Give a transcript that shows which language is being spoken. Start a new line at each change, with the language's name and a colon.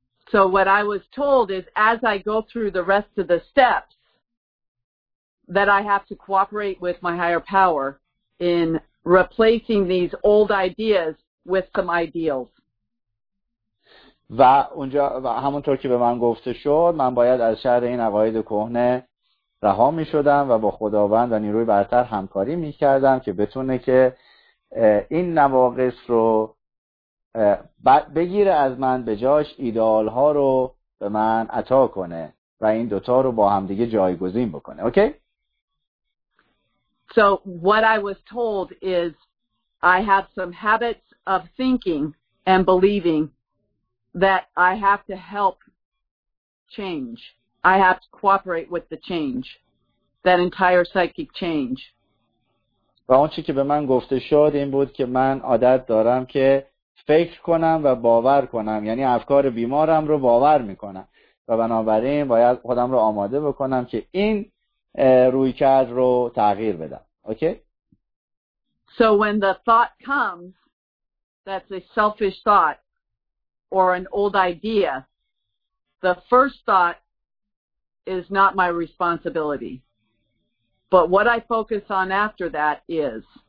English: So what I was told is as I go through the rest of the steps that I have to cooperate with my higher power in replacing these old ideas with some ideals.
Persian: و اونجا و همونطور که به من گفته شد، من باید از شر این عقاید کهنه رها می شدم و با خداوند و نیروی برتر همکاری می کردم که بتونه که این نواقص رو بگیره از من، به جاش ایدئال ها رو به من عطا کنه و این دوتا رو با همدیگه جایگزین بکنه.
English: Okay? So what I was told is I have some habits of thinking and believing that I have to help change. I have to cooperate with the change, that entire psychic change.
Persian: و اون چی که به من گفته شد این بود که من عادت دارم که فکر کنم و باور کنم، یعنی افکار بیمارم رو باور میکنم و بنابراین باید خودم رو آماده بکنم که این رویکرد رو تغییر بدم.
English: Okay? So when the thought comes that's a selfish thought or an old idea, the first thought is not my responsibility. But what I focus on after that is.